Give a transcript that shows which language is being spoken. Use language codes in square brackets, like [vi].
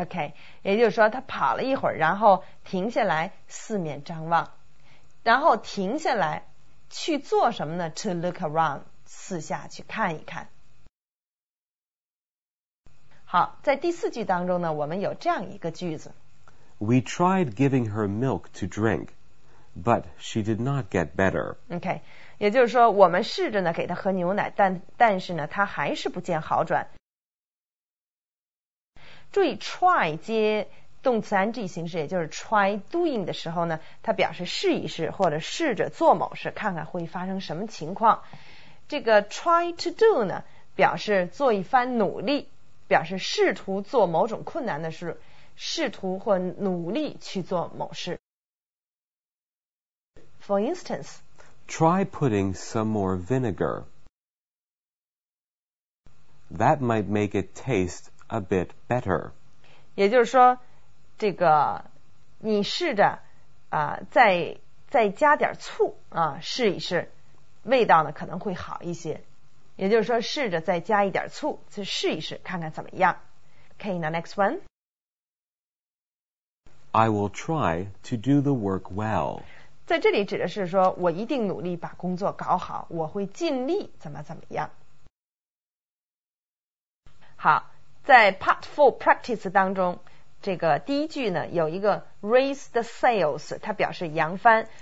[zh] OK 也就是说他跑了一会儿然后停下来四面张望然后停下来去做什么呢 [en] To look around [zh] 四下去看一看好在第四句当中呢我们有这样一个句子 [en] We tried giving her milk to drink, but she did not get better. [zh] Okay, 也就是说我们试着呢给她喝牛奶但是呢她还是不见好转。注意 try 接动词 ing 形式也就是 try doing 的时候呢它表示试一试或者试着做某事看看会发生什么情况。这个 try to do 呢表示做一番努力表示试图做某种困难的事。试图或努力去做某事 [en] For instance Try putting some more vinegar That might make it taste a bit better [zh] 也就是说这个你试着、再加点醋、试一试味道呢可能会好一些也就是说试着再加一点醋再试一试看看怎么样 [en] Okay, the next one I will try to do the work well. [zh] 在这里指的是说我一定努力把工作搞好我会尽力怎么怎么样。好在 part 4 practice 当中这个第一句呢有一个 [en] raise the sails， [zh] 它表示扬帆。